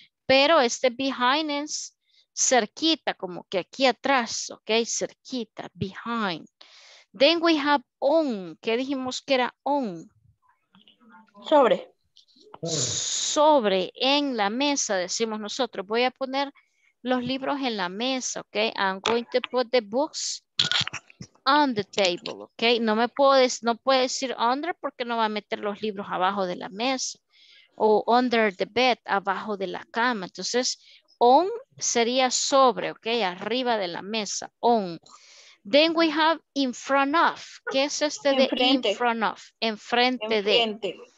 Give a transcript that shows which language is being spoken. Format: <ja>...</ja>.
<es>Pero este behind es cerquita, como que aquí atrás, ok, cerquita, behind.</es> <en>Then we have on.</en> <es>¿Qué dijimos que era on? Sobre. Sobre, en la mesa, decimos nosotros. Voy a poner los libros en la mesa, ok.</es> <en>I'm going to put the books on the table, ok.</en> <es>No me puedo decir, no puede decir under porque no va a meter los libros abajo de la mesa. O</es> <en>under the bed,</en> <es>abajo de la cama. Entonces, on sería sobre, ok. Arriba de la mesa, on.</es> <en>Then we have in front of.</en> <es>¿Qué es este de in front of? Enfrente de.</es>